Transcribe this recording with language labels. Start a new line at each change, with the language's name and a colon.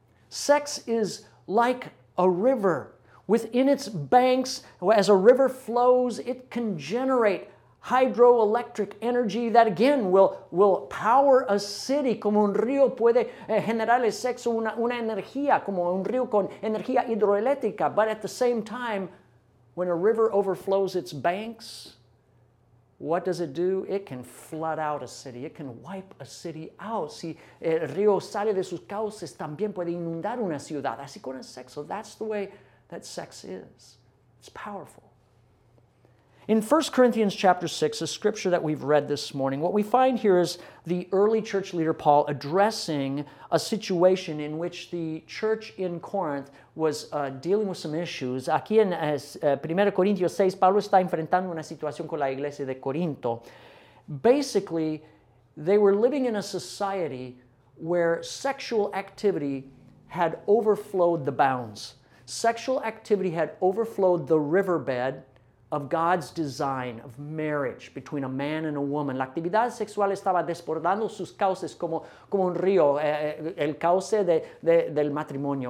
English: Sex is like a river. Within its banks, as a river flows, it can generate hydroelectric energy that again will power a city.
Spanish: Como un río puede generar el sexo una energía, como un río con energía hidroeléctrica.
English: But at the same time, when a river overflows its banks, what does it do? It can flood out a city. It can wipe a city out.
Spanish: Si el río sale de sus cauces, también puede inundar una ciudad. Así con el sexo.
English: That's the way that sex is. It's powerful. In 1 Corinthians chapter 6, a scripture that we've read this morning, what we find here is the early church leader Paul addressing a situation in which the church in Corinth was dealing with some issues.
Spanish: Aquí en 1 Corintios 6, Pablo está enfrentando una situación con la iglesia de Corinto.
English: Basically, they were living in a society where sexual activity had overflowed the bounds. Sexual activity had overflowed the riverbed of God's design of marriage between a man and a woman.
Spanish: La actividad sexual estaba desbordando sus cauces como un río, el cauce del matrimonio.